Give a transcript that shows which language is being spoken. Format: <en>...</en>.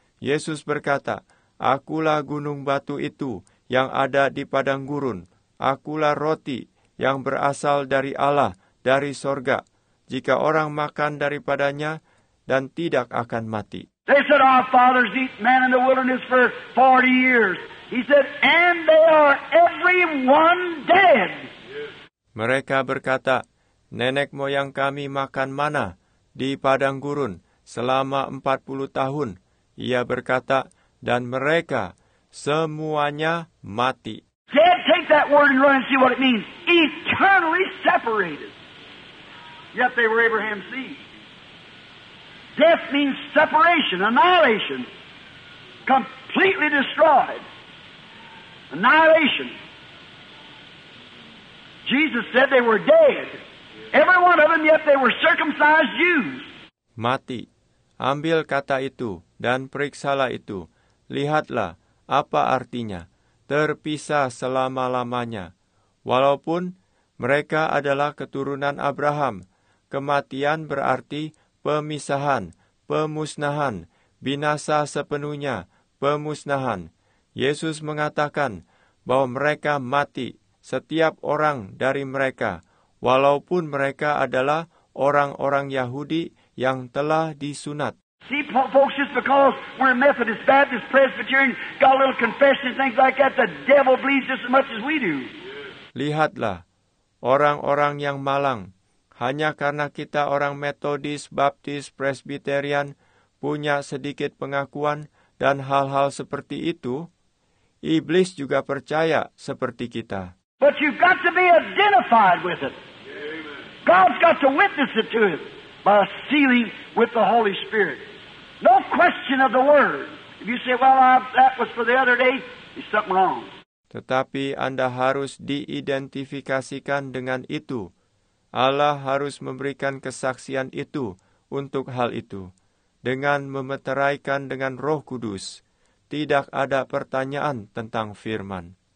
<id>Yesus berkata, akulah gunung batu itu yang ada di padang gurun. Akulah roti yang berasal dari Allah, dari sorga. Jika orang makan daripadanya, dan tidak akan mati.</id> <en>They said, our fathers eat man in the wilderness for 40 years. He said, and they are every one dead.</en> <id>Mereka berkata, nenek moyang kami makan mana? Di padang gurun selama 40 tahun, ia berkata, dan mereka Semuanya mati.</id> <en>Dad, take that word and run and see what it means. Eternally separated. Yet they were Abraham's seed. Death means separation, annihilation. Completely destroyed. Annihilation. Jesus said they were dead. Every one of them, yet they were circumcised Jews.</en> <id>Mati. Ambil kata itu dan periksalah itu. Lihatlah apa artinya. Terpisah selama-lamanya. Walaupun mereka adalah keturunan Abraham, kematian berarti pemisahan, pemusnahan, binasa sepenuhnya, pemusnahan. Yesus mengatakan bahwa mereka mati, setiap orang dari mereka, walaupun mereka adalah orang-orang Yahudi yang telah disunat.</id> <en>See, folks, just because we're Methodist, Baptist, Presbyterian, got a little confession and things like that, the devil believes just as much as we do.</en> <id>Lihatlah, orang-orang yang malang, hanya karena kita orang Methodist, Baptist, Presbyterian, punya sedikit pengakuan dan hal-hal seperti itu, iblis juga percaya seperti kita.</id> <en>But you've got to be identified with it. God's got to witness it to it by sealing with the Holy Spirit. No question of the word. If you say, well, that was for the other day, there's something wrong.</en> <id>Tetapi Anda harus diidentifikasikan dengan itu. Allah harus memberikan kesaksian itu untuk hal itu. Dengan memeteraikan dengan Roh Kudus, tidak ada pertanyaan tentang firman.</id>